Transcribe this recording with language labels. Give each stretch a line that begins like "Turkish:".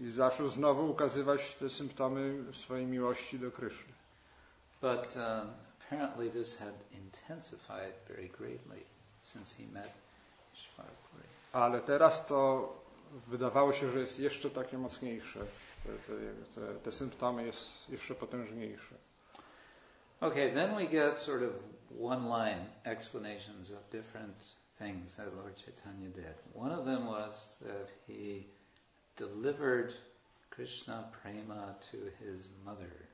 Polish: I zaczął znowu ukazywać te symptomy swojej miłości do Krishna.
English: But apparently this had intensified very greatly since he met Ishvara Puri.
Polish: Ale teraz to wydawało się, że jest jeszcze takie mocniejsze. Te symptomy jest jeszcze potężniejsze.
English: Okay, then we get sort of one-line explanations of different things that Lord Chaitanya did. One of them was that he delivered Krishna Prema to his mother.